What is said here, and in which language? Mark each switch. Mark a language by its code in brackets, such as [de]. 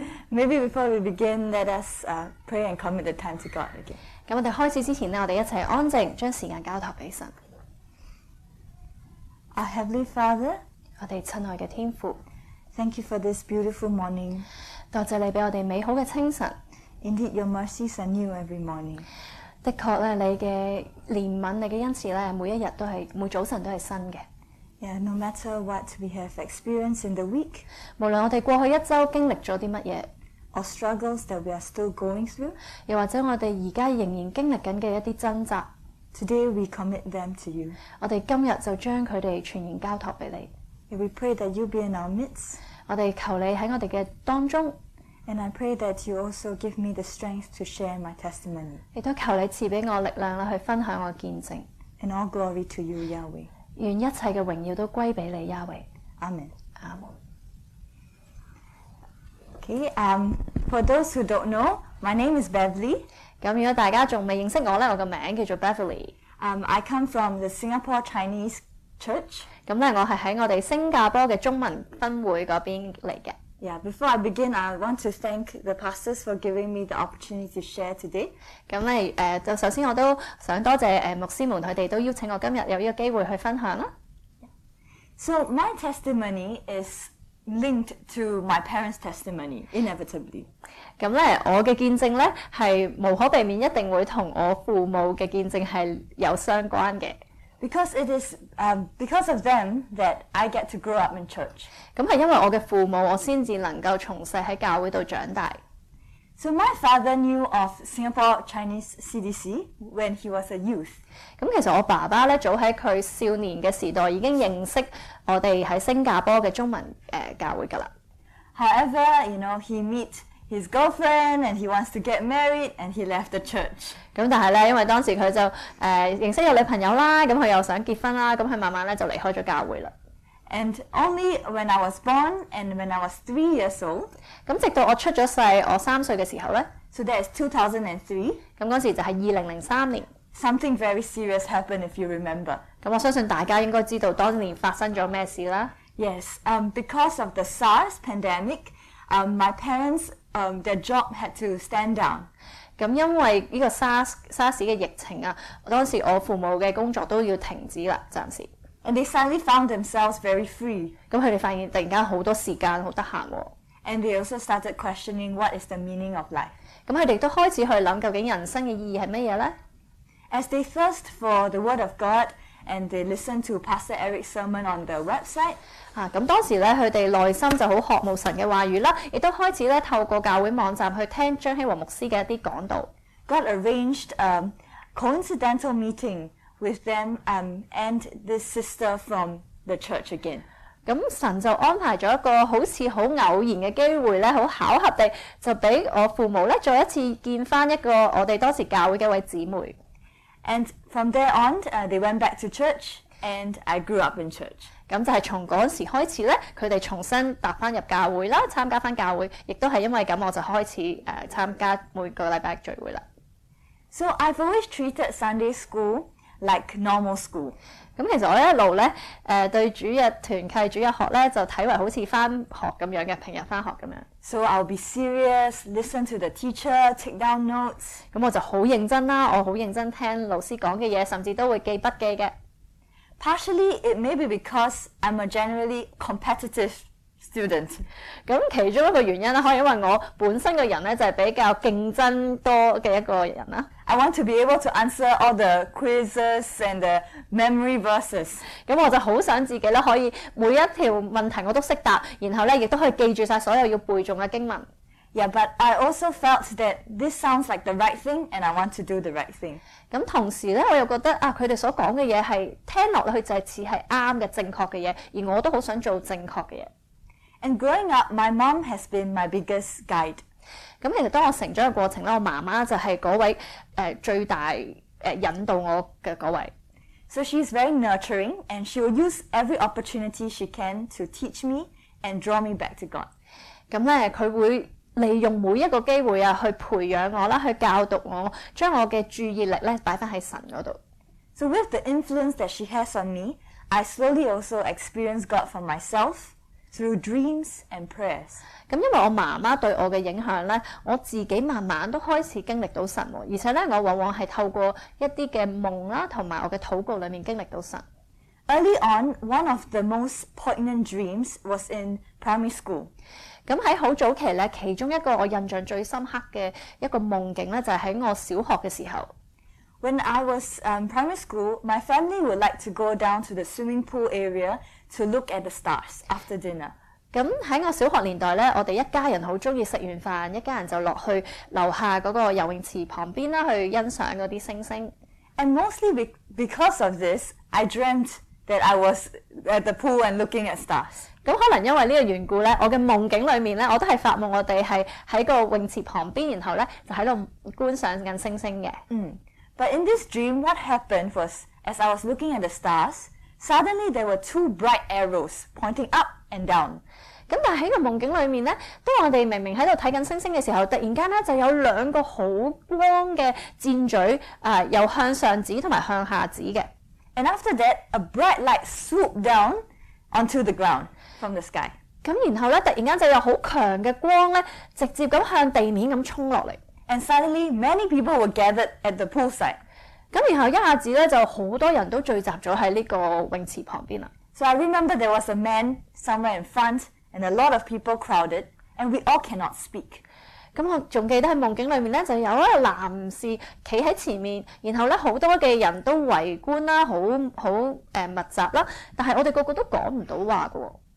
[en] Maybe before we begin, let us pray and commit the time to God again. [yue] 咁我哋開始之前咧，我哋一齊安靜，將時間交託俾神。 [en] Our Heavenly Father, [yue] 我哋親愛嘅天父 [en] ，Thank you for this beautiful morning. [yue] 多謝你俾我哋美好嘅清晨。 [en] Indeed, your mercies are new every morning. [yue] 的確咧，你嘅憐憫、你嘅恩慈咧，每一日都係每早晨都係新嘅。 [en] Yeah, no matter what we have experienced in the week, [yue] 無論我哋過去一週經歷咗啲乜嘢 [en] ，or struggles that we are still going through, [yue] 又或者我哋而家仍然經歷緊嘅一啲掙扎 [en] ，today we commit them to you. [yue] 我哋今日就將佢哋全然交託俾你。 [en] And we pray that you be in our midst. [yue] 我哋求你喺我哋嘅當中。 [en] And I pray that you also give me the strength to share my testimony. [yue] 亦都求你賜俾我力量啦，去分享我見證。 [en] And all glory to you, Yahweh. [yue] 愿一切嘅荣耀都归俾你，亚伟。阿门，阿门。 [en] Okay, for those who don't know, my name is Beverly. [yue] 咁如果大家仲未认识我咧，我嘅名叫做 Beverly。 [en] I come from the Singapore Chinese Church. [yue] 咁咧，我系喺我哋新加坡嘅中文分会嗰边嚟嘅。 [en] Yeah, before I begin, I want to thank the pastors for giving me the opportunity to share today. [yue] 咁咧，就首先我都想多謝牧師們，佢哋都邀請我今日有呢個機會去分享啦。 [en] So my testimony is linked to my parents' testimony, inevitably. [yue] 咁咧，我嘅見證咧係無可避免，一定會同我父母嘅見證係有相關嘅。 [en] Because it is because of them that I get to grow up in church. [yue] 咁係因為我嘅父母，我先至能夠從細喺教會度長大。 [en] So my father knew of Singapore Chinese CDC when he was a youth. [yue] 咁其實我爸爸咧，早喺佢少年嘅時代已經認識我哋喺新加坡嘅中文教會噶啦。 [en] However, you know, he meet his girlfriend and he wants to get married and he left the church. [yue] 咁但係咧，因為當時佢就認識咗女朋友啦，咁佢又想結婚啦，咁佢慢慢咧就離開咗教會啦。 [en] And only when I was born and when I was 3 years old. [yue] 咁直到我出咗世，我三歲嘅時候咧。 [en] So that is 2003. [yue] 咁嗰時就係2003年。 [en] Something very serious happened if you remember. [yue] 咁我相信大家應該知道當年發生咗咩事啦。 [en] Yes, because of the SARS pandemic, my parents, their job had to stand down. [yue] 咁因為呢個SARS嘅疫情啊，當時我父母嘅工作都要停止啦，暫時。 [en] And they suddenly found themselves very free. [yue] 咁佢哋發現突然間好多時間，好得閒喎。 [en] And they also started questioning what is the meaning of life. [yue] 咁佢哋都開始去諗究竟人生嘅意義係乜嘢咧 [en] ？As they thirst for the word of God, and they listen to Pastor Eric's sermon on the website. [yue] 啊，咁當時咧，佢哋內心就好渴慕神嘅話語啦，亦都開始咧透過教會網站去聽張希和牧師嘅一啲講道。 [en] God arranged a coincidental meeting. With them and this sister from the church again. [yue] 咁神就安排咗一个好似好偶然嘅机会咧，好巧合地就俾我父母咧再一次见翻一个我哋当时教会嘅位姊妹。 [en] And from there on, they went back to church, and I grew up in church. [yue] 咁就系从嗰时开始咧，佢哋重新踏翻入教会啦，参加翻教会，亦都系因为咁，我就开始参加每个礼拜聚会啦。 [en] So I've always treated Sunday school. Like normal school. [yue] 咁其實我一路咧，對主日團契、主日學咧，就睇為好似翻學咁樣嘅，平日翻學咁樣。 [en] So I'll be serious, listen to the teacher, take down notes. [yue] 咁我就好認真啦，我好認真聽老師講嘅嘢，甚至都會記筆記嘅。 [en] Partially, it may be because I'm a generally competitive student. [yue] 咁其中一個原因咧，可以因為我本身嘅人咧，就係比較競爭多嘅一個人啦。 [en] I want to be able to answer all the quizzes and the memory verses. [yue] 咁我就好想自己咧可以每一条问题我都识答，然后咧亦都可以记住晒所有要背诵嘅经文。 [en] Yeah, but I also felt that this sounds like the right thing, and I want to do the right thing. [yue] 咁同时咧，我又觉得啊，佢哋所讲嘅嘢系听落去就系似系啱嘅正确嘅嘢，而我都好想做正确嘅嘢。 [en] And growing up, my mom has been my biggest guide. [yue] 咁其實當我成長嘅過程咧，我媽媽就係嗰位最大引導我嘅嗰位。 [en] So she is very nurturing, and she will use every opportunity she can to teach me and draw me back to God. [yue] 咁咧，佢會利用每一個機會啊，去培養我啦，去教導我，將我嘅注意力咧擺翻喺神嗰度。 [en] So with the influence that she has on me, I slowly also experienced God for myself through dreams and prayers. [yue] 咁因為我媽媽對我嘅影響咧，我自己慢慢都開始經歷到神，而且咧，我往往係透過一啲嘅夢啦，同埋我嘅禱告裡面經歷到神。 [en] Early on, one of the most poignant dreams was in primary school. [yue] 咁喺好早期咧，其中一個我印象最深刻嘅一個夢境咧，就係喺我小學嘅時候。 [en] When I was primary school, my family would like to go down to the swimming pool area to look at the stars after dinner. [yue] 咁喺我小學年代咧，我哋一家人好中意食完飯，一家人就落去樓下嗰個游泳池旁邊啦，去欣賞嗰啲星星。 [en] And mostly because of this, I dreamt that I was at the pool and looking at stars. [yue] 咁可能因為呢個緣故咧，我嘅夢境裡面咧，我都係發夢我哋係喺個泳池旁邊，然後咧就喺度觀賞緊星星嘅。 [en] But in this dream, what happened was, as I was looking at the stars, suddenly there were two bright arrows pointing up and down. [yue] 咁但喺个梦境里面咧，当我哋明明喺度睇紧星星嘅时候，突然间咧就有两个好光嘅箭嘴，又向上指同埋向下指嘅。 [en] And after that, a bright light swooped down onto the ground from the sky. [yue] 咁然后咧，突然间就有好强嘅光咧，直接咁向地面咁冲落嚟。 [en] And suddenly, many people were gathered at the poolside. [yue] 咁然後一下子咧，就好多人都聚集咗喺呢個泳池旁邊啦。 [en] So I remember there was a man somewhere in front, and a lot of people crowded, and we all cannot speak. [yue] 咁我仲記得喺夢境裏面咧，就有一個男士企喺前面，然後咧好多嘅人都圍觀啦，好密集啦，但係我哋個個都講唔到話嘅喎。